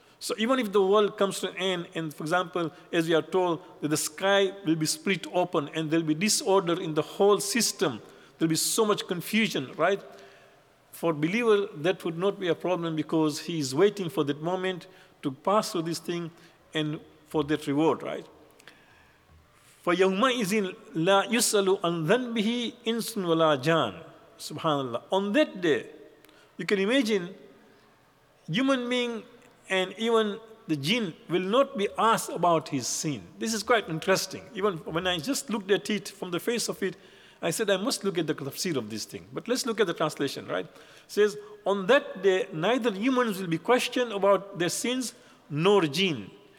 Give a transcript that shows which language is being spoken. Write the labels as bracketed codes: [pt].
[en] So even if the world comes to an end, and for example, as we are told, that the sky will be split open and there will be disorder in the whole system, there will be so much confusion, right? For believer, that would not be a problem because he is waiting for that moment to pass through this thing and for that reward, right? [ar] For يَوْمَئِذٍ لَا يُسْأَلُ عَنْ ذَنْبِهِ إِنْسٌ وَلَا جَانٌ SubhanAllah. [en] On that day, you can imagine, human being and even the jinn will not be asked about his sin. This is quite interesting. Even when I just looked at it from the face of it, I said, I must look at the tafsir of this thing. But let's look at the translation, right? It says, on that day, neither humans will be questioned about their sins, nor jinn.